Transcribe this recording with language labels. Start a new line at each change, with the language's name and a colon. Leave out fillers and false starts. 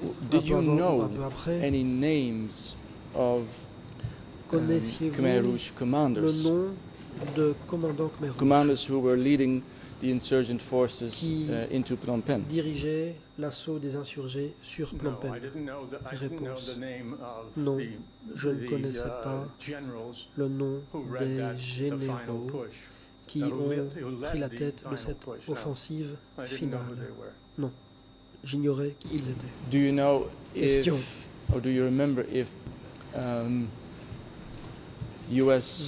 English: did you know any names of Khmer Rouge commanders?
French: Le nom de commandant Khmer Rouge,
English: commanders who were leading the insurgent forces into Phnom Penh.
French: Dirigeaient l'assaut des insurgés sur Phnom Penh. Réponse. Non, je ne connaissais pas le nom des généraux qui ont pris la tête de cette offensive finale. Non, j'ignorais qui ils étaient.
English: Do you know if, or do you remember if, U.S.